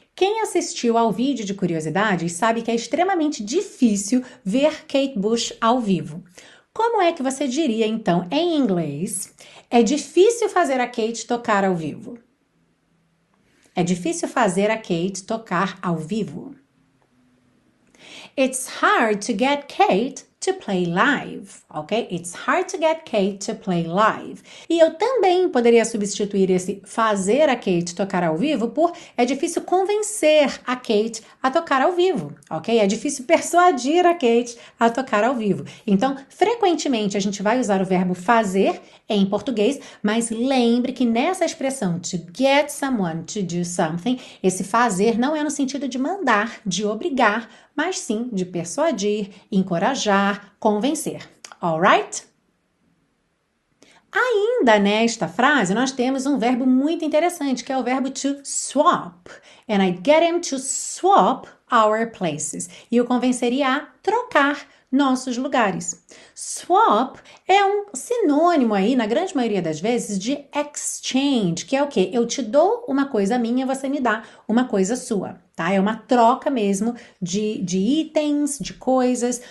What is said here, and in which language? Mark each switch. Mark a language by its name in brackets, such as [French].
[Portuguese] Quem assistiu ao vídeo de curiosidades sabe que é extremamente difícil ver Kate Bush ao vivo. Como é que você diria, então, em inglês, é difícil fazer a Kate tocar ao vivo? É difícil fazer a Kate tocar ao vivo? [English] It's hard to get Kate to play live, ok? It's hard to get Kate to play live. [Portuguese] E eu também poderia substituir esse fazer a Kate tocar ao vivo por é difícil convencer a Kate a tocar ao vivo, ok? É difícil persuadir a Kate a tocar ao vivo. Então, frequentemente a gente vai usar o verbo fazer em português, mas lembre que nessa expressão [English] to get someone to do something, [Portuguese] esse fazer não é no sentido de mandar, de obrigar, mas sim de persuadir, encorajar, convencer. [English] All right? [Portuguese] Ainda nesta frase, nós temos um verbo muito interessante, que é o verbo to swap. [English] And I'd get him to swap our places. [Portuguese] E o convenceria a trocar nossos lugares. Swap é um sinônimo aí, na grande maioria das vezes, de exchange, que é o quê? Eu te dou uma coisa minha, você me dá uma coisa sua. Tá? É uma troca mesmo de itens, de coisas.